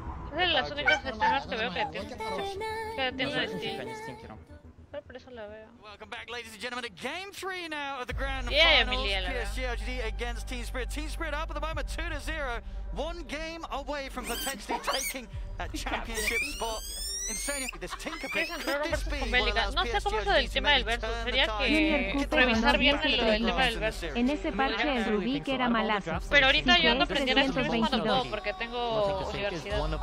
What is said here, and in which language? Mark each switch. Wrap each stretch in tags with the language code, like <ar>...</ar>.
<es>Es de las únicas streamers que veo que tiene estilo. Pero por eso</es> <en>Welcome back, ladies and gentlemen, to Game 3 now of the Grand Finals. PSG LGD against Team Spirit. Team Spirit up at the moment, 2-0. One game away from potentially taking that championship spot.</en> <es>No sé cómo es lo del tema del versus. Sería que revisar bien lo del tema del versus. En ese parche el rubí que era malazo. Pero ahorita yo ando aprendiendo a escribir cuando puedo porque tengo universidad.</es>